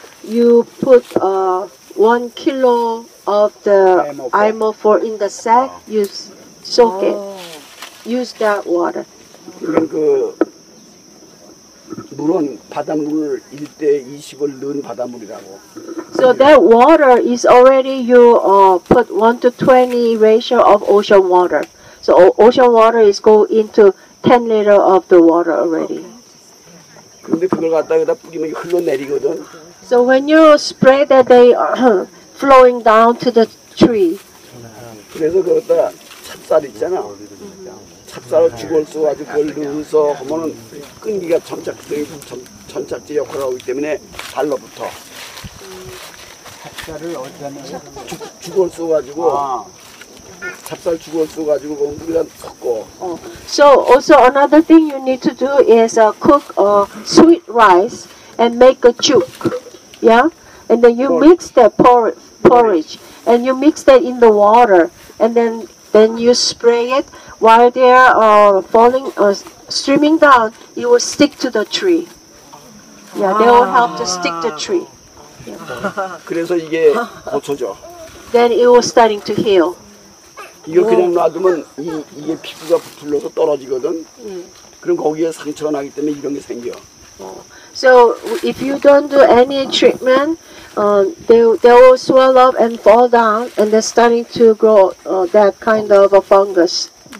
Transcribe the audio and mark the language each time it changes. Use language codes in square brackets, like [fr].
[en] you put 1 kilo of the IMO 4 in the sack, you soak it. Use that water. [ko] 물은 바닷물 1대 20을 넣은 바닷물이라고. [en] So that water is already you put 1 to 20 ratio of ocean water. So ocean water is go into 10 liter of the water already. [ko] 근데 그걸 갖다 여기다 뿌리면 흘러내리거든. [en] So when you spray that, they are flowing down to the tree. [ko] 그래서 거기다 찹쌀 있잖아. 찹쌀 죽을 수 아주 그걸 넣어서 하면은 끈기가 점착제 역할을 하기 때문에 달라붙어. 찹쌀을 어디다 넣어? 죽을 수 가지고 찹쌀 죽을 수 가지고 엉덩이랑 섞어. [en] So also another thing you need to do is cook sweet rice and make a chuk. Yeah? And then you mix that porridge and you mix that in the water and then you spray it. While they are falling or streaming down, it will stick to the tree. Yeah, they will help to stick the tree. [ko] Yeah. 그래서 이게 고쳐져. [en] Then it will starting to heal. [ko] 이거 그냥 놔두면 이게 피부가 부풀려서 떨어지거든. 그럼 거기에 상처가 나기 때문에 이런 게 생겨. [en] So if you don't do any treatment, they will swell up and fall down, and they're starting to grow that kind of a fungus.